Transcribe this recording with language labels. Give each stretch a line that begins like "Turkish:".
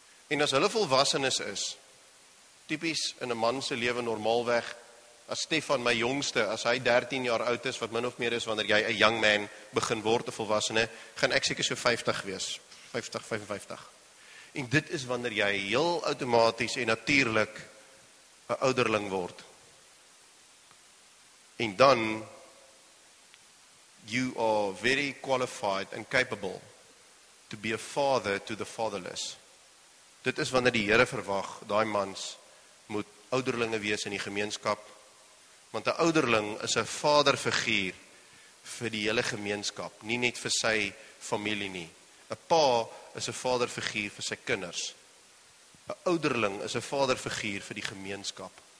Afrikaans: En as hulle volwassenes is, typies in 'n man se lewe normaalweg, as Stefan, my jongste, as hy 13 jaar oud is, wat min of meer is, wanneer jy 'n young man begin word, 'n volwassene, gaan ek seker so 50 wees. 50, 55. En dit is wanneer jy heel outomaties en natuurlik 'n ouderling word. En dan,
English: you are very qualified and capable to be a father to the fatherless.
Afrikaans: Dit is wanneer die Here verwag, daai mans moet ouderlinge wees in die gemeenskap, want 'n ouderling is 'n vaderfiguur vir die hele gemeenskap, nie net vir sy familie nie. 'N Pa is 'n vaderfiguur vir sy kinders. 'N Ouderling is 'n vaderfiguur vir die gemeenskap.